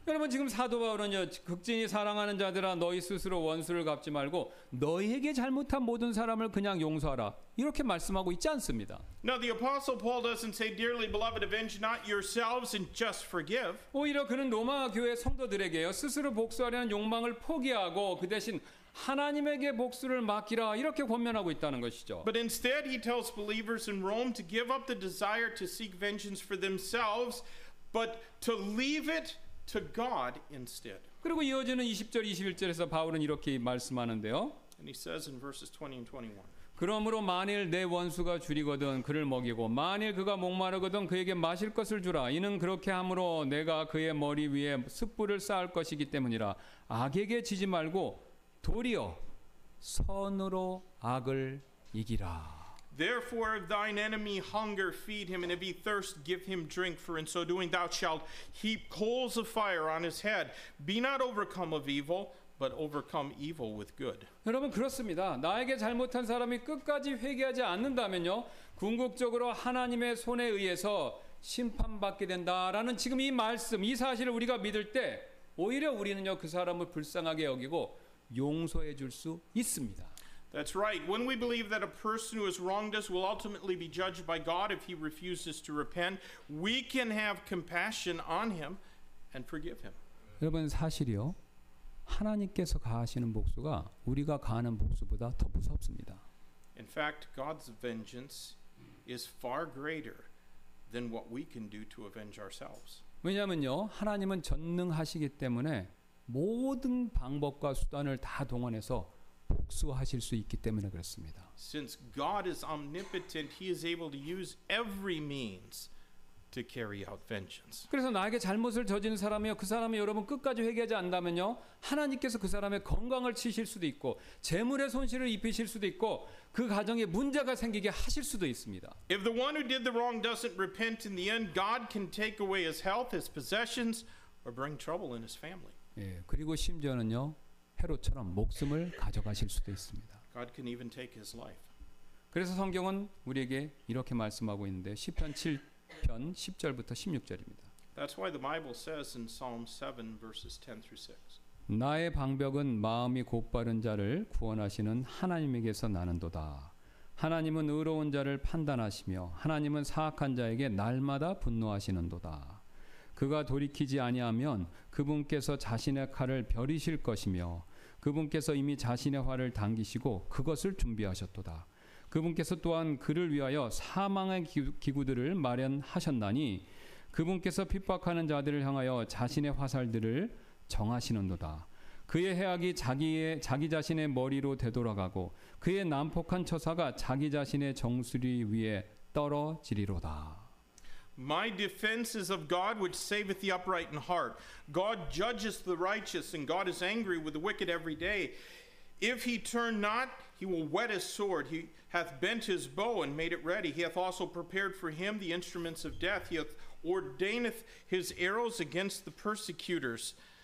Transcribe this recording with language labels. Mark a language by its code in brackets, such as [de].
[ko] 여러분 지금 사도 바울은요, 극진히 사랑하는 자들아 너희 스스로 원수를 갚지 말고 너희에게 잘못한 모든 사람을 그냥 용서하라. 이렇게 말씀하고 있지 않습니다. [en] Now the apostle Paul doesn't say, dearly beloved, avenge not yourselves and just forgive. [ko] 오히려 그는 로마 교회 성도들에게요, 스스로 복수하려는 욕망을 포기하고 그 대신 하나님에게 복수를 맡기라 이렇게 권면하고 있다는 것이죠. [en] But instead he tells believers in Rome to give up the desire to seek vengeance for themselves but to leave it to God instead. [ko] 그리고 이어지는 20절 21절에서 바울은 이렇게 말씀하는데요. [en] And he says in verses 20 and 21. [ko] 그러므로 만일 내 원수가 주리거든 그를 먹이고 만일 그가 목마르거든 그에게 마실 것을 주라 이는 그렇게 함으로 내가 그의 머리 위에 숯불을 쌓을 것이기 때문이라 악에게 지지 말고 도리어 선으로 악을 이기라. [en] Therefore, if thine enemy hunger, feed him, and if he thirst, give him drink. For in so doing, thou shalt heap coals of fire on his head. Be not overcome of evil, but overcome evil with good. [ko] 여러분 그렇습니다. 나에게 잘못한 사람이 끝까지 회개하지 않는다면요, 궁극적으로 하나님의 손에 의해서 심판받게 된다라는 지금 이 말씀, 이 사실을 우리가 믿을 때 오히려 우리는요 그 사람을 불쌍하게 여기고 용서해 줄 수 있습니다. [en] That's right. When we believe that a person who has wronged us will ultimately be judged by God if he refuses to repent, we can have compassion on him and forgive him. [ko] 여러분 사실이요. 하나님께서 가하시는 복수가 우리가 가하는 복수보다 더 무섭습니다. [en] In fact, God's vengeance is far greater than what we can do to avenge ourselves. [ko] 왜냐면요. 하나님은 전능하시기 때문에 모든 방법과 수단을 다 동원해서 복수하실 수 있기 때문에 그렇습니다. [en] Since God is omnipotent, he is able to use every means to carry out vengeance. [ko] 그래서 나에게 잘못을 저지른 사람이요, 그 사람이 여러분 끝까지 회개하지 않다면요, 하나님께서 그 사람의 건강을 치실 수도 있고 재물의 손실을 입히실 수도 있고 그 가정에 문제가 생기게 하실 수도 있습니다. [en] If the one who did the wrong doesn't repent in the end, God can take away his health, his possessions or bring trouble in his family. [ko] 예, 그리고 심지어는요 헤롯처럼 목숨을 가져가실 수도 있습니다. [en] God can even take his life. [ko] 그래서 성경은 우리에게 이렇게 말씀하고 있는데 시편 7편 10절부터 16절입니다. [en] That's why the Bible says in Psalm 7 verses 10 through 6. [ko] 나의 방벽은 마음이 곧바른 자를 구원하시는 하나님에게서 나는도다. 하나님은 의로운 자를 판단하시며 하나님은 사악한 자에게 날마다 분노하시는도다. 그가 돌이키지 아니하면 그분께서 자신의 칼을 벼리실 것이며 그분께서 이미 자신의 활을 당기시고 그것을 준비하셨도다. 그분께서 또한 그를 위하여 사망의 기구들을 마련하셨나니 그분께서 핍박하는 자들을 향하여 자신의 화살들을 정하시는도다. 그의 해악이 자기 자신의 머리로 되돌아가고 그의 난폭한 처사가 자기 자신의 정수리 위에 떨어지리로다. [en] My defense is of God, which saveth the upright in heart. God judges the righteous, and God is angry with the wicked every day. If he turn not, he will whet his sword. He hath bent his bow and made it ready. He hath also prepared for him the instruments of death. He hath ordaineth his arrows against the persecutors.